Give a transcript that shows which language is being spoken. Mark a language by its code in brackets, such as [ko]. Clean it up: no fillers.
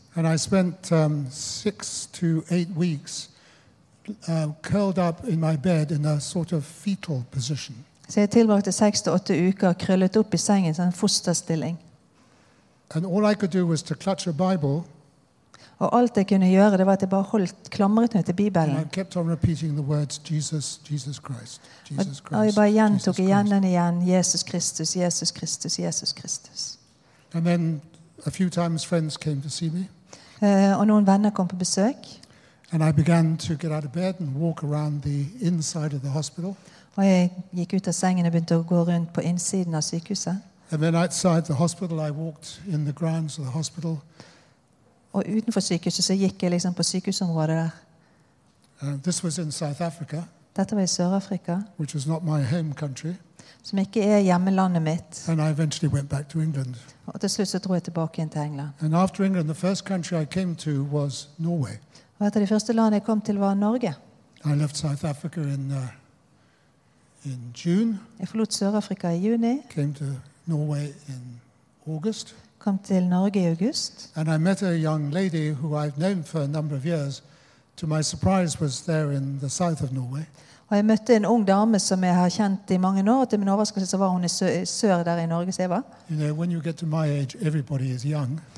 [en] And I spent 6 to 8 weeks curled up in my bed in a sort of fetal position. [no] Så jeg tilbrakte 6 til 8 uker krøllet opp i sengen, sånn fosterstilling. [en] And all I could do was to clutch a Bible. [no] Og alt jeg kunne gjøre, det var at jeg bare holdt klamret meg til Bibelen. [en] And I kept on repeating the words, Jesus, Jesus Christ, Jesus Christ. [no] Og jeg bare gjentok igjen og igjen, Jesus Kristus, Jesus Kristus, Jesus Kristus. [en] And then a few times friends came to see me. [no] Og noen venner kom på besøk. [en] And I began to get out of bed and walk around the inside of the hospital. [no] Og jeg gikk ut av sengen og begynte å gå rundt på innsiden av sykehuset. [en] And then outside the hospital, I walked in the grounds of the hospital. [no] Og utenfor sykehuset så gikk jeg liksom på sykehusområdet der. [en] This was in South Africa. [no] Dette var i Sør-Afrika. [en] Which was not my home country. [no] Som ikke er hjemmelandet mitt. [en] And I eventually went back to England. [no] Og til slutt så dro jeg tilbake inn til England. [en] And after England, the first country I came to was Norway. [no] Og etter det første landet jeg kom til var Norge. [en] I left South Africa in June. [no] Jeg forlot Sør-Afrika i juni. [en] Came to Norway in August. [no] Kom til Norge i august. [en] And I met a young lady who I've known for a number of years, to my surprise was there in the south of Norway. [no] Og jeg møtte en ung dame som jeg har kjent i mange år, til min overraskelse så var hun i sør der i Norge, så jeg var. [en] You know, when you get to my age, everybody is young.